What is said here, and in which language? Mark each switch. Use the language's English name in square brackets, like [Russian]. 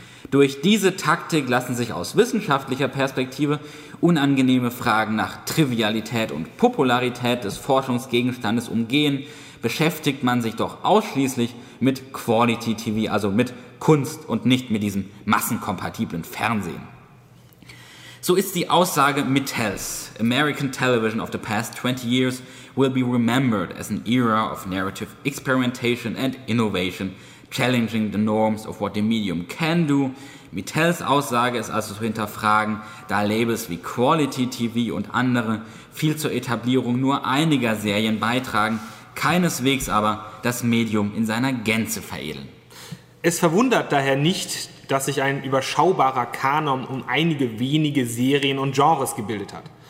[German] Durch diese Taktik lassen sich aus wissenschaftlicher Perspektive unangenehme Fragen nach Trivialität und Popularität des Forschungsgegenstandes umgehen. Beschäftigt man sich doch ausschließlich mit Quality TV, also mit Kunst und nicht mit diesem massenkompatiblen Fernsehen. So ist die Aussage Mittels, [English] American television of the past 20 years will be remembered as an era of narrative experimentation and innovation, challenging the norms of what the medium can do. [German] Mittels Aussage ist also zu hinterfragen, da Labels wie Quality TV und andere viel zur Etablierung nur einiger Serien beitragen, keineswegs aber das Medium in seiner Gänze veredeln. Es verwundert daher nicht, dass sich ein überschaubarer Kanon um einige wenige Serien und Genres gebildet hat.